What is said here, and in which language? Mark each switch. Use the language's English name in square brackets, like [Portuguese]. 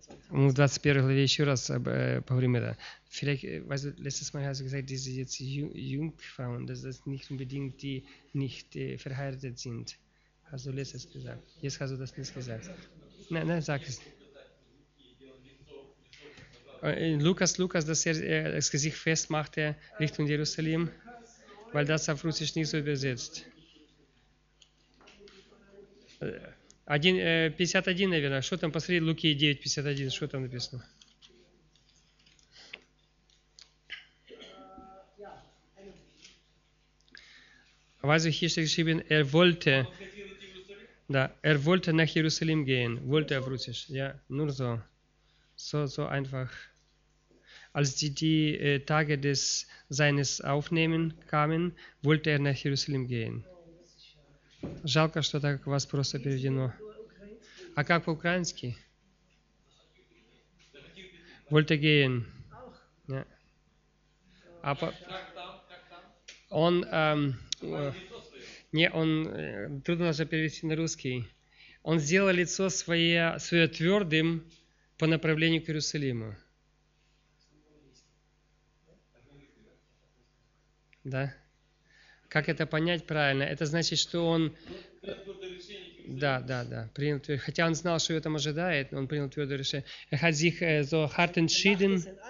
[Russian] Мы в 21 главе еще раз поговорим это. [German] Vielleicht, weißt du, letztes Mal hast du gesagt, diese jetzt Jungfrauen, dass das nicht unbedingt die nicht verheiratet sind. Hast du letztes gesagt? Jetzt hast du das nicht gesagt. Nein, sag es. Lukas, dass er das Gesicht festmachte Richtung Jerusalem, weil das auf Russisch nicht so übersetzt. [Russian] 51, наверное. Что там посреди Луки 9:51? Что там написано? [German] Weißt du, hier steht geschrieben, er wollte nach Jerusalem gehen. Wollte auf Russisch. Ja, nur so. So einfach. Als die Tage des seines Aufnehmen kamen, wollte er nach Jerusalem gehen. [Russian] Жалко, что так у вас просто переведено. А как по-украински? [German] Wollte gehen. Ja. [Russian] Он трудно даже перевести на русский. Он сделал лицо свое твердым по направлению к Иерусалиму. Да? Как это понять правильно? Это значит, что он... Да. Принял твердое. Хотя он знал, что его там ожидает, но он принял твердое решение. [German] Er hat sich so hart entschieden.